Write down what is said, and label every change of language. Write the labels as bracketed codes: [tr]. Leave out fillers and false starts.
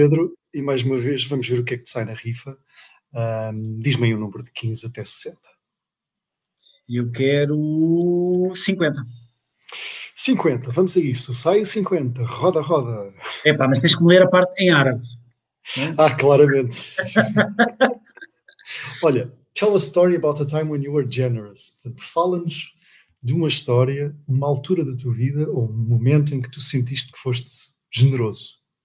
[pt] Pedro, e mais uma vez vamos ver o que é que te sai na rifa. Diz-me aí o um número de 15 até 60. Eu quero 50. 50, vamos a isso, sai o 50, roda, roda. Epá, mas tens que ler a parte em árabe. Ah, claramente. Olha, [en] tell a story about a time when you were generous. [pt] Fala-nos de uma história, uma altura da tua vida ou um momento em que tu sentiste que foste generoso.